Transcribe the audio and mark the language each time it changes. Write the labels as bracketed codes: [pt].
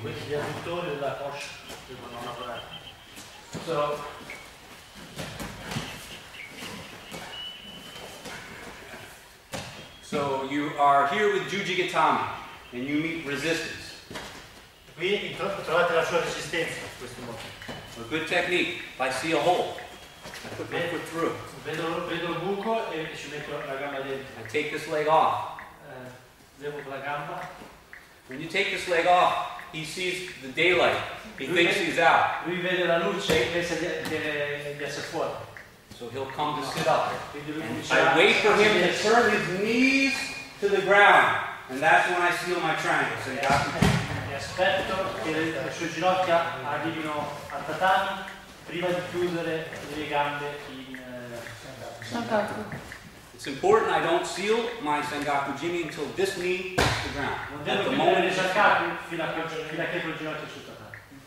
[it] Questi gli adduttori della coscia devono lavorare. [en] So so you are here with Jiu-Jitsu and you meet resistance. [it] Qui trovate la sua resistenza in questo modo. [en] A good technique. If I see a hole, I put my foot through. [it] Vedo il buco e ci metto la gamba dentro. [en] I take this leg off. [it] Levo la gamba. [en] When you take this leg off, he sees the daylight. He thinks he's out. [it] Lui vede la luce e pensa di essere fuori. [en] So he'll come to sit up. I wait for him to turn his knees to the ground. And that's when I seal my triangle. So [it] aspetto che le sue ginocchia arrivino al tatami prima di chiudere le gambe. [en] Sengaku. It's important I don't seal my Sengaku Jimmy until this knee hits the ground. At the moment it's Sengaku, [it] fino a che il ginocchio sul tatami.